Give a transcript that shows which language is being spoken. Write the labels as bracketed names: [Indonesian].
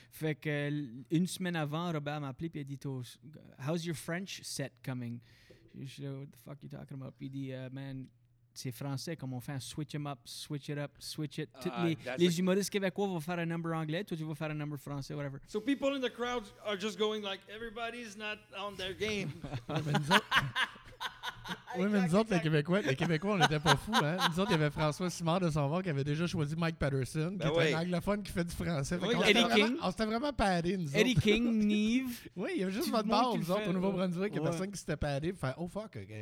[French] Fait que une semaine avant, Robert m'a appelé, puis il a dit, [English] how's your French set coming? [French] Je dis, [English] what the fuck are you talking about? [French] Puis il dit, [English] man, [French] c'est français, comme on fait un [English] switch them up, switch it up, switch it. [French] Les humoristes québécois vont faire un number anglais, toi tu vas faire un number français, whatever. [English] So people in the crowd are just going like, everybody's not on their game. [French] Oui, mais nous autres, les Québécois, on n'était pas fous. Hein? Nous autres, il y avait François Simard de son bord qui avait déjà choisi Mike Patterson, qui est un anglophone qui fait du français. Oui, Eddie King. On s'était vraiment paddé, nous autres. Eddie King, Neve. Oui, il y a juste votre bord, nous autres, au Nouveau-Brunswick. Il n'y a personne qui s'était paddé. Enfin, oh fuck.